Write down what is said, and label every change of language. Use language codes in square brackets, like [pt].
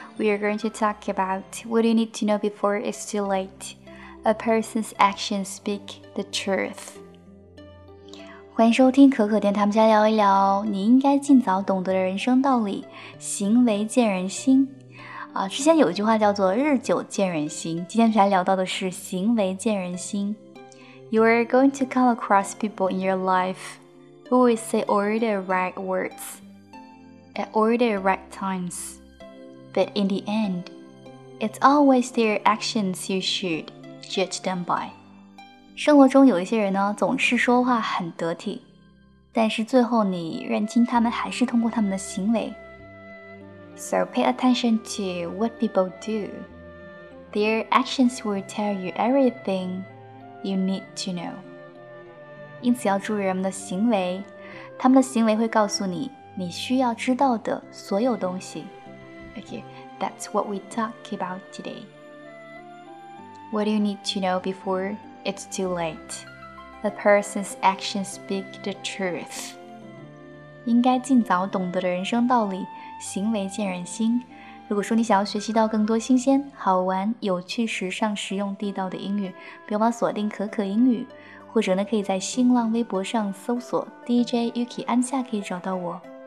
[en] We are going to talk about what you need to know before it's too late. A person's actions speak the truth. [zh] 欢迎收听可可电台，我们家聊一聊你应该尽早懂得的人生道理，行为见人心。之前有一句话叫做日久见人心，今天才聊到的是行为见人心。 [en] You are going to come across people in your life. Who will say all the right words at all the right times? But in the end, it's always their actions you should judge them by. [zh] 生活中有一些人呢，总是说话很得体，但是最后你认清他们还是通过他们的行为。 [en] So pay attention to what people do. Their actions will tell you everything you need to know. [zh] 因此要注意人们的行为，他们的行为会告诉你你需要知道的所有东西。 [en] Okay, that's what we talk about today. What do you need to know before it's too late? A person's actions speak the truth. [zh] 应该尽早懂得的人生道理，行为见人心。如果说你想要学习到更多新鲜、好玩、有趣、时尚、实用、地道的英语，别忘锁定可可英语，或者呢，可以在新浪微博上搜索 DJ Yuki 安夏，可以找到我。